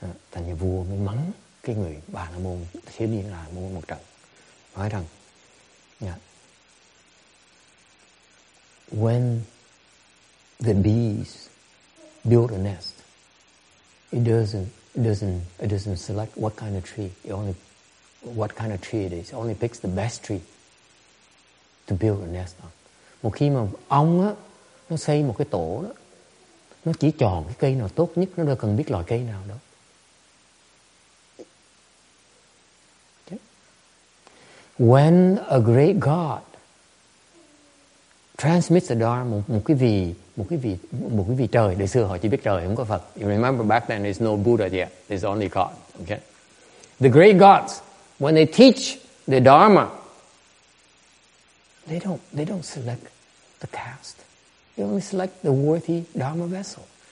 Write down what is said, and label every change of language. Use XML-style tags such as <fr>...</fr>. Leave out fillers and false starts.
<vi>thành nhà vua mới mắng cái người Bà La Môn thiếu niên là môn một trận, nói rằng,</vi> <en>when the bees build a nest, it doesn't select what kind of tree. It only picks the best tree to build a nest on.</en> <vi>Một khi mà ong á nó xây một cái tổ đó, nó chỉ chọn cái cây nào tốt nhất, nó đâu cần biết loại cây nào đâu.</vi> <en>When a great god transmits the dharma,</en> <vi>một cái vị trời, đời xưa họ chỉ biết trời, không có Phật.</vi> <en>You remember back then there's no Buddha yet, there's only God. Okay, the great gods, when they teach the dharma, they don't select the caste, they only select the worthy dharma vessel.</en>